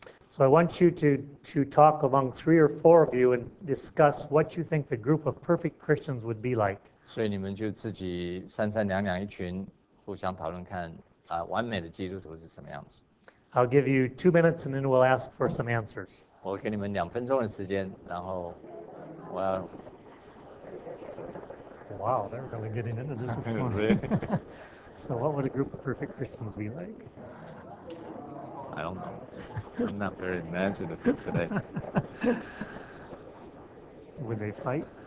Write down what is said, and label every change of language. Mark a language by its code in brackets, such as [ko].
[en] So I want you to talk among three or four of you and discuss what you think the group of perfect Christians would be like. [zh] 所以你们就自己三三两两一群互相讨论看，完美的基督徒是什么样子。 [en] I'll give you 2 minutes and then we'll ask for some answers. [zh] 我给你们2分钟的时间，然后我要。 [en] Wow, they're really getting into this this morning. So what would a group of perfect Christians be like? I don't know. I'm not very imaginative today. Would they fight?